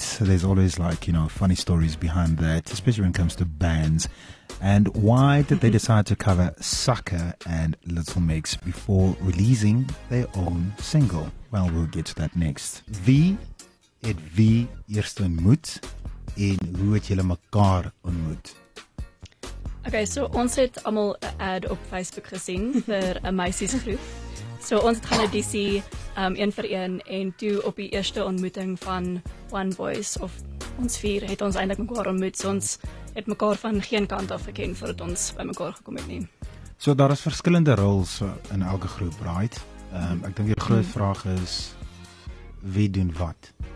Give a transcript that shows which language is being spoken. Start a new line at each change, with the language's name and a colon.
English: So there's always like, you know, funny stories behind that, especially when it comes to bands. And why did they decide to cover Sucker and Little Mix before releasing their own single? Well, we'll get to that next.
Afrikaans: Wie het wie eerst ontmoet en hoe het julle mekaar ontmoet? Okay, so ons het allemaal een ad op Facebook gezien voor een meisiesgroep. So ons het gaan naar DC, een voor een, en toe op die eerste ontmoeting van One Voice, of ons vier, het ons eindelijk mekaar ontmoet, so ons het mekaar van geen kant af geken voordat ons by mekaar gekom het nie. So daar is verskillende roles in elke groep, right? Ek dink die groot vraag is, wie doen wat?